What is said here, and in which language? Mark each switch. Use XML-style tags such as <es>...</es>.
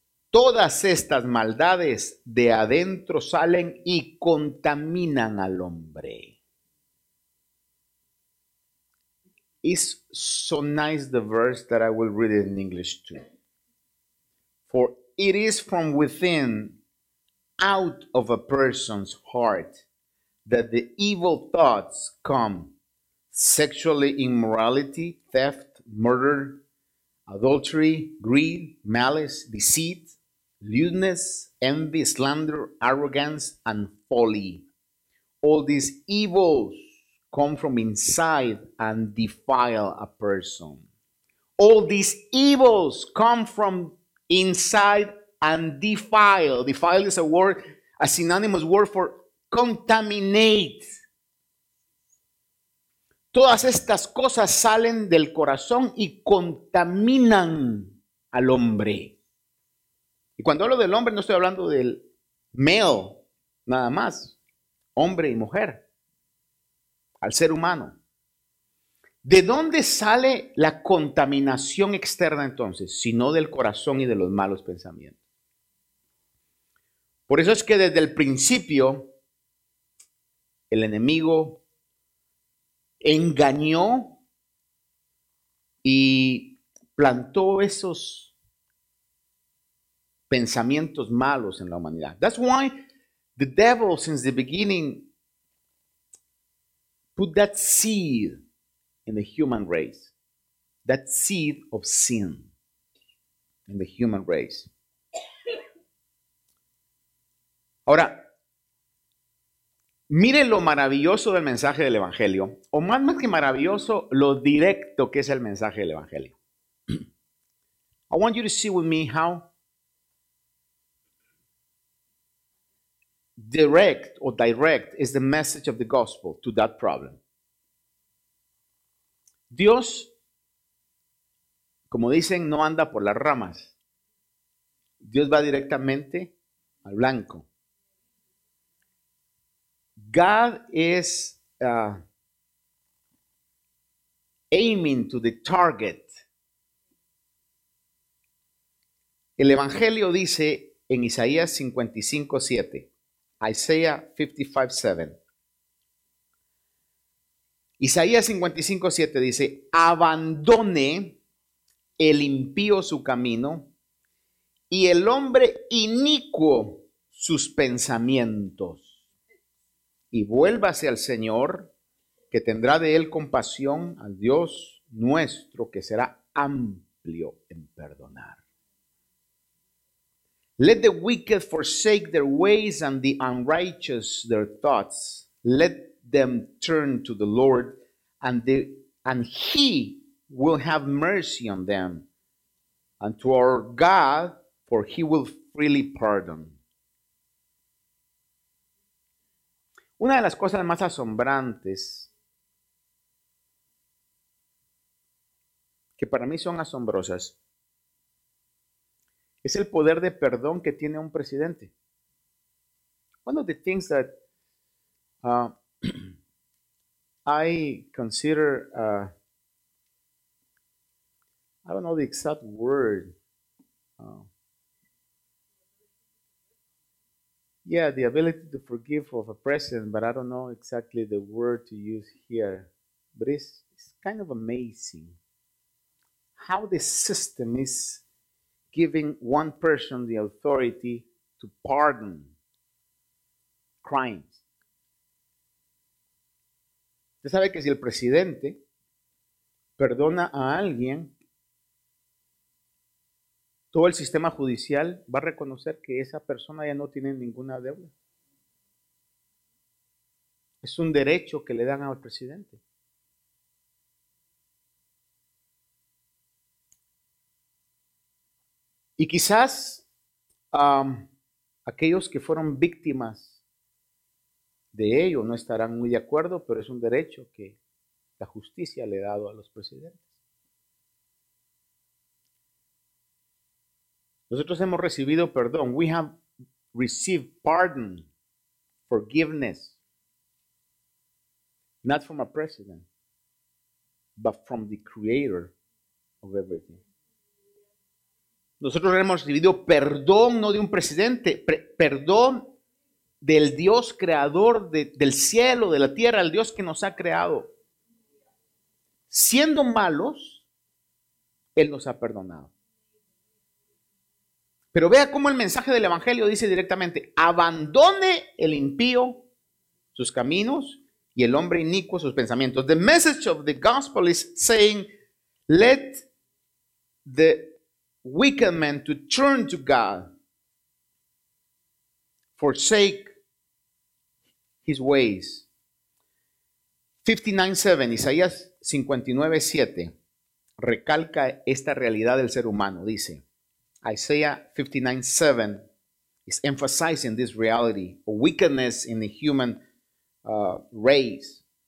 <es>Todas estas maldades de adentro salen y contaminan al hombre.</es> <en>It's so nice the verse that I will read it in English too. For it is from within, out of a person's heart, that the evil thoughts come. Sexually immorality, theft, murder, adultery, greed, malice, deceit, lewdness, envy, slander, arrogance, and folly. All these evils come from inside and defile a person. All these evils come from inside and defile. Defile is a word, a synonymous word for contaminate.</en> <es>Todas estas cosas salen del corazón y contaminan al hombre. Y cuando hablo del hombre, no estoy hablando del male, nada más. Hombre y mujer. Al ser humano. ¿De dónde sale la contaminación externa entonces? Si no del corazón y de los malos pensamientos. Por eso es que desde el principio, el enemigo engañó y plantó esos pensamientos malos en la humanidad.</es> <en>That's why the devil, since the beginning, put that seed in the human race. That seed of sin in the human race.</en> <es>Ahora, mire lo maravilloso del mensaje del Evangelio, o más que maravilloso, lo directo que es el mensaje del Evangelio.</es> <en>I want you to see with me how direct or direct is the message of the gospel to that problem.</en> <es>Dios, como dicen, no anda por las ramas. Dios va directamente al blanco.</es> <en>God is aiming to the target.</en> <es>El Evangelio dice en Isaías 55:7, Isaiah 55:7. Isaías 55:7 dice, abandone el impío su camino y el hombre inicuo sus pensamientos. Y vuélvase al Señor, que tendrá de él compasión, al Dios nuestro, que será amplio en perdonar.</es> <en>Let the wicked forsake their ways and the unrighteous their thoughts. Let them turn to the Lord, and he will have mercy on them, and to our God, for he will freely pardon.</en> <es>Una de las cosas más asombrantes, que para mí son asombrosas, es el poder de perdón que tiene un presidente.</es> <en>One of the things that I consider, I don't know the exact word, yeah, the ability to forgive of a president, but I don't know exactly the word to use here. But it's kind of amazing how the system is giving one person the authority to pardon crimes.</en> <es>Usted sabe que si el presidente perdona a alguien, todo el sistema judicial va a reconocer que esa persona ya no tiene ninguna deuda. Es un derecho que le dan al presidente. Y quizás aquellos que fueron víctimas de ello no estarán muy de acuerdo, pero es un derecho que la justicia le ha dado a los presidentes. Nosotros hemos recibido perdón.</es> <en>We have received pardon, forgiveness. Not from a president, but from the creator of everything.</en> <es>Nosotros hemos recibido perdón, no de un presidente, perdón del Dios creador del cielo, de la tierra, el Dios que nos ha creado. Siendo malos, Él nos ha perdonado. Pero vea cómo el mensaje del Evangelio dice directamente, abandone el impío sus caminos y el hombre inicuo sus pensamientos.</es> <en>The message of the gospel is saying, let the wicked man to turn to God, forsake his ways.</en> <es>59:7, Isaías 59:7 recalca esta realidad del ser humano. Dice,</es> <en>Isaiah 59:7 is emphasizing this reality, a weakness in the human race.</en>